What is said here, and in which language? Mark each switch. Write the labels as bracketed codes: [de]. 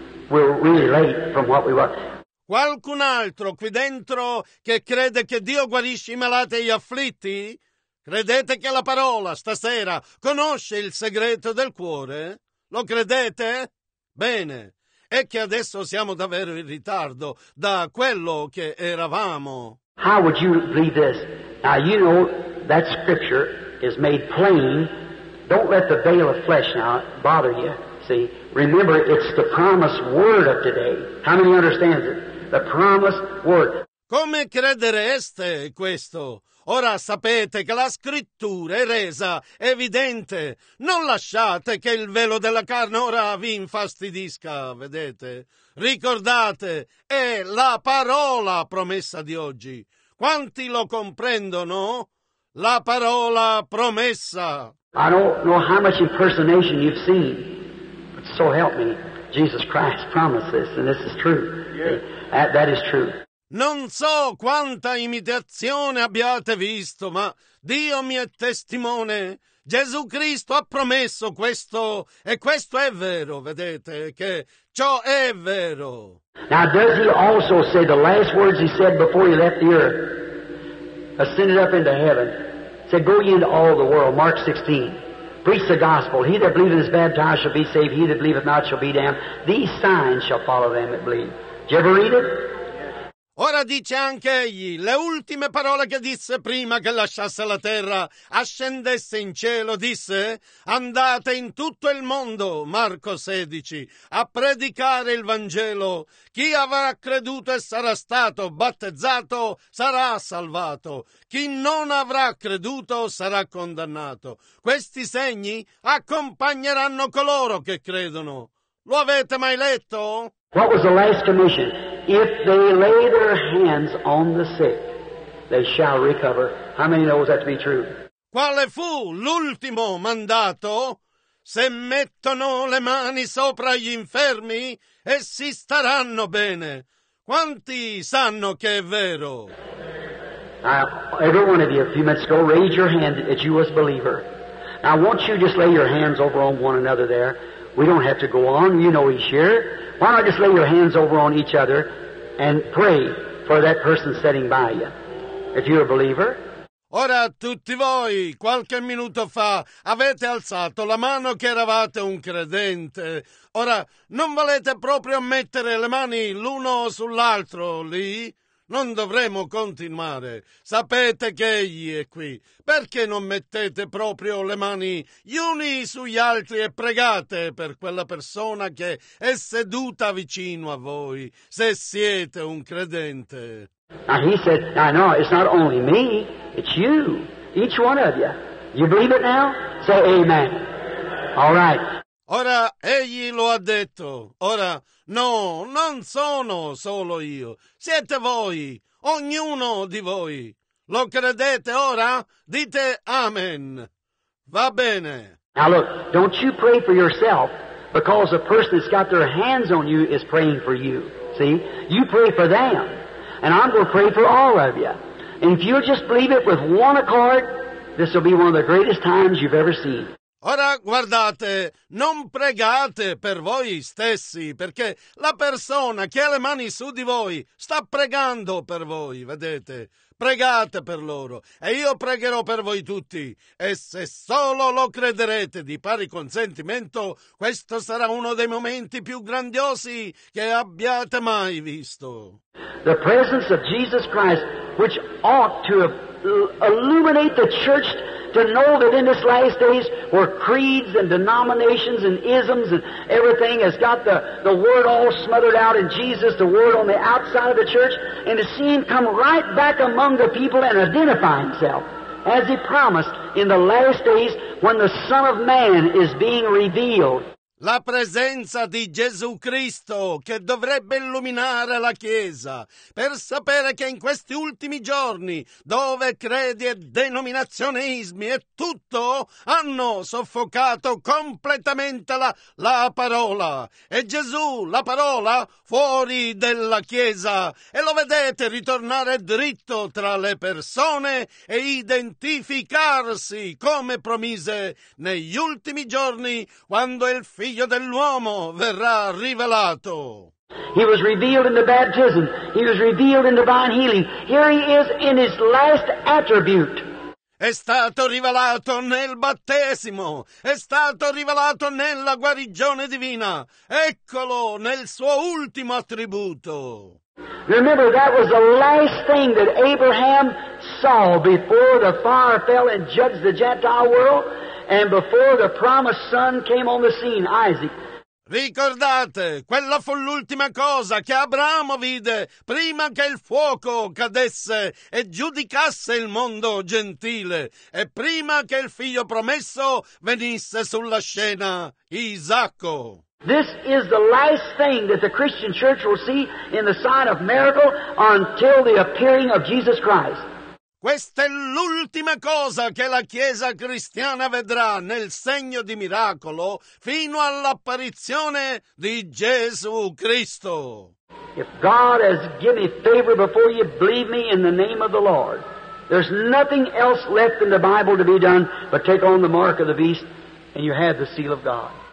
[en] We're really late from what we were. [it] Qualcun altro qui dentro che crede che Dio guarisce i malati e gli afflitti? Credete che la parola stasera conosce il segreto del cuore? Lo credete? Bene. È che adesso siamo davvero in ritardo da quello che eravamo. [en] How would you believe this? Now you know that scripture is made plain. Don't let the veil of flesh now bother you. See, remember it's the promised word of today. How many understands it? The promised word. [it] Come credereste questo? Ora sapete che la scrittura è resa evidente. Non lasciate che il velo della carne ora vi infastidisca, vedete? Ricordate, è la parola promessa di oggi. Quanti lo comprendono? La parola promessa. [en] I don't know how much impersonation you've seen, but so help me, Jesus Christ promises, and this is true. Yeah. That is true. [it] Non so quanta imitazione abbiate visto, ma Dio mi è testimone. Gesù Cristo ha promesso questo, e questo è vero, vedete, che ciò è vero. [en] Now, does he also say the last words he said before he left the earth, ascended up into heaven, said, go ye into all the world, Mark 16, preach the gospel. He that believeth and is baptized shall be saved, he that believeth not shall be damned. These signs shall follow them that believe. Did you ever read it? [it] Ora dice anche egli le ultime parole che disse prima che lasciasse la terra, ascendesse in cielo, disse: andate in tutto il mondo, Marco 16, a predicare il Vangelo. Chi avrà creduto e sarà stato battezzato sarà salvato. Chi non avrà creduto sarà condannato. Questi segni accompagneranno coloro che credono. Lo avete mai letto? [en] What was the last commission? If they lay their hands on the sick, they shall recover. How many knows that to be true? [it] Quale fu l'ultimo mandato? Se mettono le mani sopra gli infermi, essi staranno bene. Quanti sanno che è vero? [en] Every one of you, a few minutes ago, raise your hand that you was a believer. Now, I want you to just lay your hands over on one another there. We don't have to go on. You know he's here. Why not just lay your hands over on each other and pray for that person sitting by you, if you're a believer? [it] Ora tutti voi, qualche minuto fa, avete alzato la mano che eravate un credente. Ora, non volete proprio mettere le mani l'uno sull'altro lì? Non dovremo continuare. Sapete che egli è qui. Perché non mettete proprio le mani gli uni sugli altri e pregate per quella persona che è seduta vicino a voi, se siete un credente? [en] Now he said, I know, it's not only me, it's you, each one of you. You believe it now? Say amen. All right. [it] Ora, egli lo ha detto. Ora, no, non sono solo io. Siete voi, ognuno di voi. Lo credete ora? Dite amen. Va bene. [en] Now look, don't you pray for yourself, because the person that's got their hands on you is praying for you. See? You pray for them. And I'm going to pray for all of you. And if you'll just believe it with one accord, this will be one of the greatest times you've ever seen. [it] Ora guardate, non pregate per voi stessi, perché la persona che ha le mani su di voi sta pregando per voi, vedete? Pregate per loro, e io pregherò per voi tutti, e se solo lo crederete di pari consentimento, questo sarà uno dei momenti più grandiosi che abbiate mai visto. [en] The presence of Jesus Christ, which ought to illuminate the church, to know that in this last days where creeds and denominations and isms and everything has got the word all smothered out in Jesus, the word on the outside of the church, and to see him come right back among the people and identify himself as he promised in the last days when the Son of Man is being revealed. [it] La presenza di Gesù Cristo che dovrebbe illuminare la Chiesa per sapere che in questi ultimi giorni dove credi e denominazionismi e tutto hanno soffocato completamente la parola. E Gesù, la parola, fuori della Chiesa e lo vedete ritornare dritto tra le persone e identificarsi come promise negli ultimi giorni quando il Figlio dell'uomo verrà rivelato. [en] He was revealed in the baptism. He was revealed in divine healing. Here he is in his last attribute. [it] È stato rivelato nel battesimo. È stato rivelato nella guarigione divina. Eccolo nel suo ultimo attributo. [en] Remember, that was the last thing that Abraham saw before the fire fell and judged the Gentile world. And before the promised son came on the scene, Isaac. [it] Ricordate, quella fu l'ultima cosa che Abramo vide prima che il fuoco cadesse e giudicasse il mondo gentile e prima che il figlio promesso venisse sulla scena, Isacco. [en] This is the last thing that the Christian church will see in the sign of miracle until the appearing of Jesus Christ. [it] Questa è l'ultima cosa che la Chiesa cristiana vedrà nel segno di miracolo fino all'apparizione di Gesù Cristo. [en] If God has given me favor before you, believe me in the name of the Lord. There's nothing else left in the Bible to be done but take on the mark of the beast and you have the seal of God.